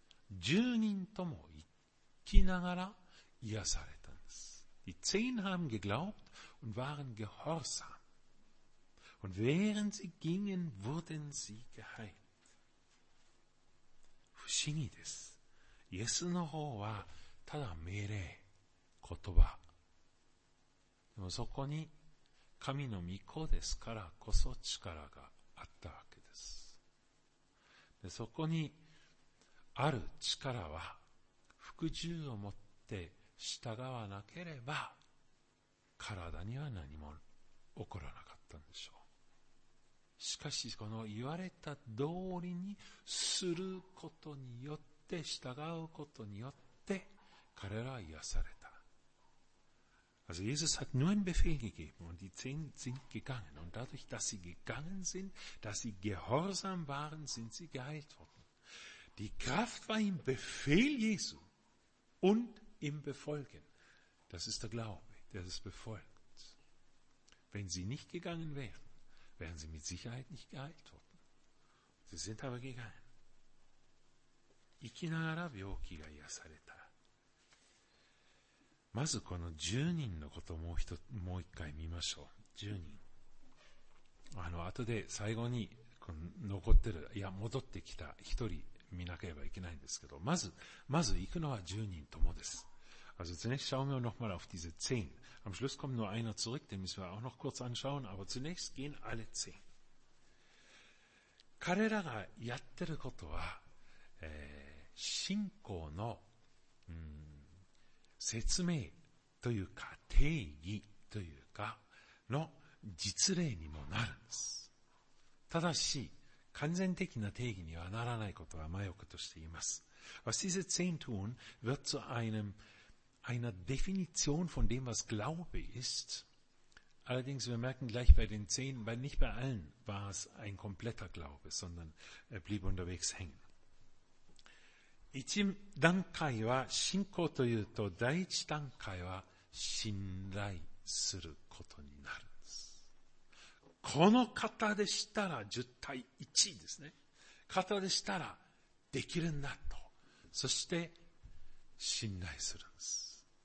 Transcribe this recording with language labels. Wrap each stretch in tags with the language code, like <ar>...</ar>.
<ja>Junin tomo ikkinagara iyasareta desu.</ja> <de>Die 10 haben geglaubt und waren gehorsam. Und während sie gingen, wurden sie geheilt.</de> <ja>Fushigi desu. イエスの方はただ命令、言葉。でもそこに神の御子ですからこそ力があったわけです。でそこにある力は服従を持って従わなければ体には何も起こらなかったんでしょう。しかしこの言われた通りにすることによって従うことによって彼らは癒された。</ja> <de>Also Jesus hat nur einen Befehl gegeben und die 10 sind gegangen und dadurch, dass sie gegangen sind, dass sie gehorsam waren, sind sie geheilt worden. Die Kraft war im Befehl Jesu und im Befolgen. Das ist der Glaube, der das befolgt. Wenn sie nicht gegangen wären, wären sie mit Sicherheit nicht geheilt worden. Sie sind aber gegangen.</de> <ja>生きながら病気が癒された。まずこの10人のことをもう一回見ましょう。 10人。後で最後にこの残ってる、いや戻ってきた1人見なければいけないんですけど、まず行くのは10人ともです。</ja> <de>Also zunächst schauen wir noch mal auf diese 10. Am Schluss kommt nur einer zurück, den müssen wir auch noch kurz anschauen, aber zunächst gehen alle 10.</de> <ja>彼らがやってることは、信仰の、説明というか定義というかの実例にもなるんです。ただし完全的な定義にはならないことは前置きとして言います。</ja> <de>Was diese zehn tun, wird zu einer Definition von dem, was Glaube ist. Allerdings, wir merken gleich bei den 10, weil nicht bei allen war es ein kompletter Glaube, sondern er blieb unterwegs hängen.</de> <ja>一段階は信仰というと第一段階は信頼することになるんです。この方でしたら10対1ですね。方でしたらできるんだと。そして信頼するんです。</ja>